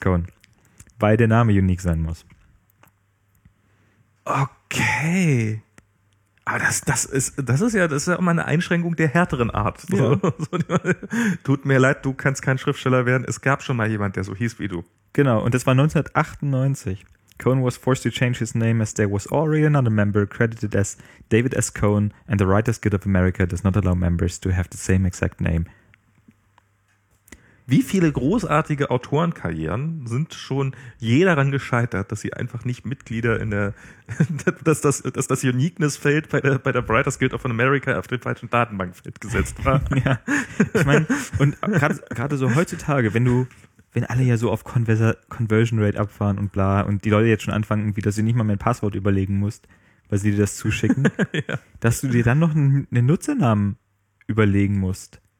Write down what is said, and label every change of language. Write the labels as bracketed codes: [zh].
[de] Cohen, weil der Name unique sein muss. Okay. Aber das ist ja immer eine Einschränkung der härteren Art. So. Ja. Tut mir leid, du kannst kein Schriftsteller werden. Es gab schon mal jemand, der so hieß wie du. Genau, und das war 1998. [en] Cohen was forced to change his name as there was already another member credited as David S. Cohen and the Writers Guild of America does not allow members to have the same exact name. [de] Wie viele großartige Autorenkarrieren sind schon je daran gescheitert, dass sie einfach nicht Mitglieder in der, dass das Uniqueness-Feld bei der Writers Guild of America auf dem falschen Datenbankfeld gesetzt war? Ja. Ich meine, und gerade so heutzutage, wenn alle ja so auf Conversion Rate abfahren und bla, und die Leute jetzt schon anfangen, wie, dass du nicht mal mein Passwort überlegen musst, weil sie dir das zuschicken, dass du dir dann noch einen Nutzernamen überlegen musst.